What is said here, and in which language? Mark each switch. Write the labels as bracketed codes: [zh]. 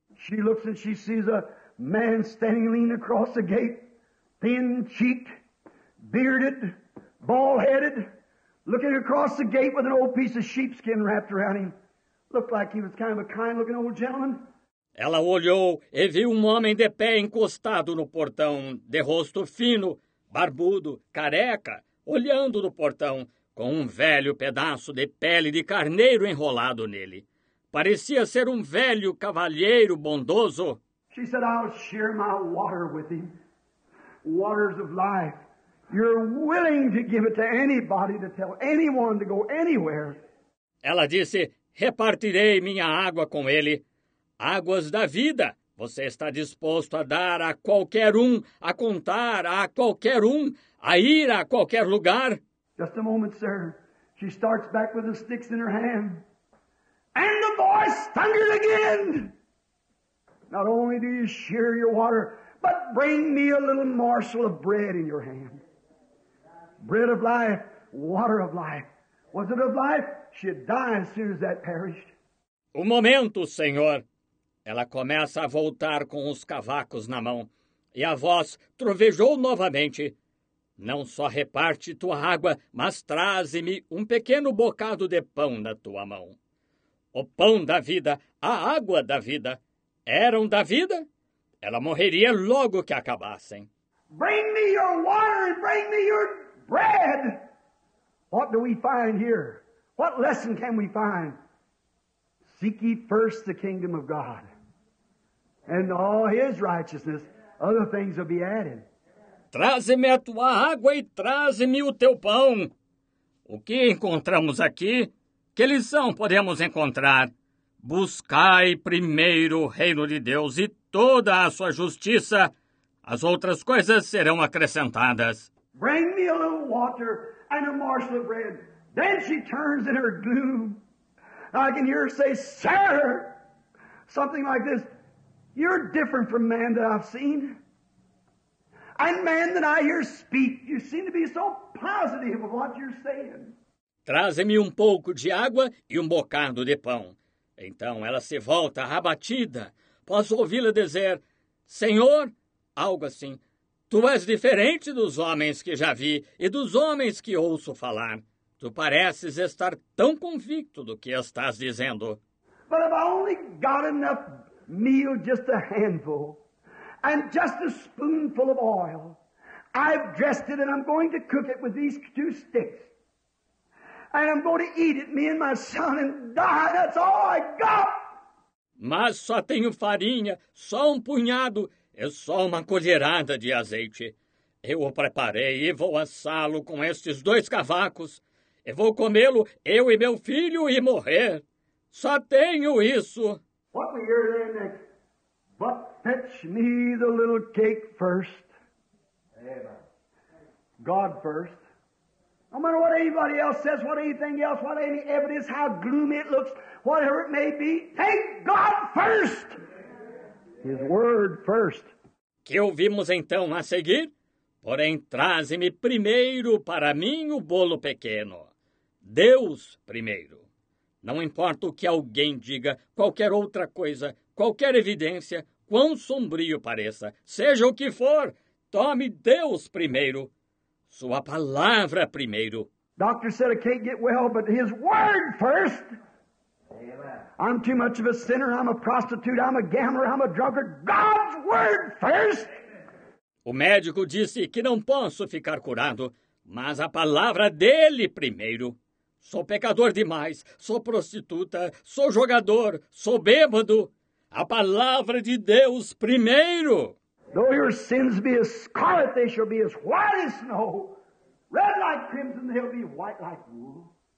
[en] She looks and she sees a man standing leaning across the gate, thin-cheeked, bearded, bald-headed, looking across the gate with an old piece of sheepskin wrapped around him. Looked like he was kind of a kind-looking old gentleman. [pt] Ela olhou e viu um homem de pé encostado no portão, de rosto fino, barbudo, careca, olhando no portão, com um velho pedaço de pele de carneiro enrolado nele. Parecia ser um velho cavalheiro bondoso. [en] She said, I'll share my water with him. Waters of life. You're willing to give it to anybody to tell anyone to go anywhere. [pt] Ela disse, repartirei minha água com ele. Águas da vida, você está disposto a dar a qualquer um, a contar a qualquer um, a ir a qualquer lugar? [en] Just a moment, sir. She starts back with the sticks in her hand. And the voice thundered again. Not only do you share your water, but bring me a little morsel of bread in your hand. Bread of life, water of life. Was it of life? She'd die as soon as that perished. [pt] Um momento, senhor. Ela começa a voltar com os cavacos na mão. E a voz trovejou novamente. Não só reparte tua água, mas traze-me um pequeno bocado de pão na tua mão. O pão da vida, a água da vida, eram da vida? Ela morreria logo que acabassem. [en] Bring me your water and bring me your bread. What do we find here? What lesson can we find? Seek ye first the kingdom of God and all his righteousness. Other things will be added. [pt] Traze-me a tua água e traze-me o teu pão. O que encontramos aqui? Que lição podemos encontrar? Buscai primeiro o reino de Deus e toda a sua justiça. As outras coisas serão acrescentadas. [en] Bring me a little water and a morsel of bread. Then she turns in her gloom. I can hear her say, Sir, something like this. You're different from man that I've seen. And man that I hear speak, you seem to be so positive of what you're saying. [pt] Traze-me um pouco de água e um bocado de pão. Então ela se volta abatida. Posso ouvi-la dizer, Senhor, algo assim. Tu és diferente dos homens que já vi e dos homens que ouço falar. Tu pareces estar tão convicto do que estás dizendo. [en] But if I only got enough meal, just a handful, and just a spoonful of oil, I've dressed it and I'm going to cook it with these two sticks. And I'm going to eat it, me and my son, and die. That's all I got. [pt] Mas só tenho farinha, só um punhado e só uma colherada de azeite. Eu o preparei e vou assá-lo com estes dois cavacos. E vou comê-lo, eu e meu filho, e morrer. Só tenho isso. [en] What we hear there next? But fetch me the little cake first. Amen. God first. No matter what anybody else says, what anything else, what any evidence, how gloomy it looks, whatever it may be, take God first. His word first. [pt] Que ouvimos então a seguir? Porém, traze-me primeiro para mim o bolo pequeno. Deus primeiro. Não importa o que alguém diga, qualquer outra coisa, qualquer evidência, quão sombrio pareça, seja o que for, tome Deus primeiro. Sua palavra primeiro. [en] Doctor said I can't get well, but his word first. Amen. I'm too much of a sinner, I'm a prostitute, I'm a gambler, I'm a drunkard. God's word first. [pt] O médico disse que não posso ficar curado, mas a palavra dele primeiro. Sou pecador demais, sou prostituta, sou jogador, sou bêbado. A palavra de Deus primeiro. [en] Though your sins be as scarlet, they shall be as white as snow. Red like crimson, they'll be white like wool.